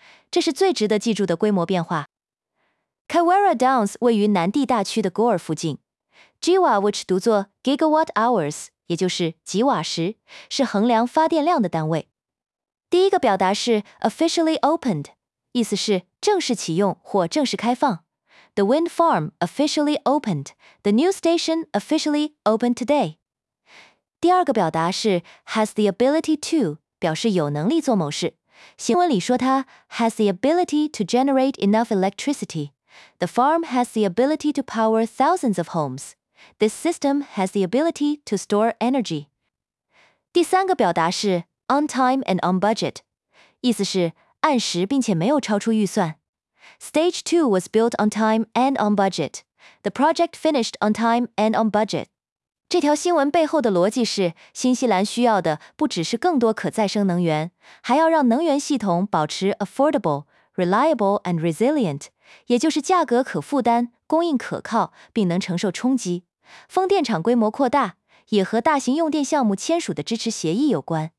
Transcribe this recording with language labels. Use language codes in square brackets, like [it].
[zh] 这是最值得记住的规模变化。Kaiwera Downs 位于南地大区的 Gore 附近。 GW which 读作 [en] gigawatt hours， [zh] 也就是吉瓦时，是衡量发电量的单位。第一个表达是 [en] officially opened， [zh] 意思是正式启用或正式开放。 [en] The wind farm officially opened. The new station officially opened today. [zh] 第二个表达是 [en] has the ability to， [zh] 表示有能力做某事。新闻里说它 [en] has the ability to generate enough electricity. The farm has the ability to power thousands of homes. This system has the ability to store energy. [zh] 第三个表达是 [en] on time and on budget， [zh] 意思是按时并且没有超出预算。 [en] Stage 2 was built on time and on budget. The project finished on time and on budget. [zh] 这条新闻背后的逻辑是，新西兰需要的不只是更多可再生能源，还要让能源系统保持 [en] affordable, reliable and resilient, [zh] 也就是价格可负担、供应可靠并能承受冲击。风电厂规模扩大也和大型用电项目签署的支持协议有关。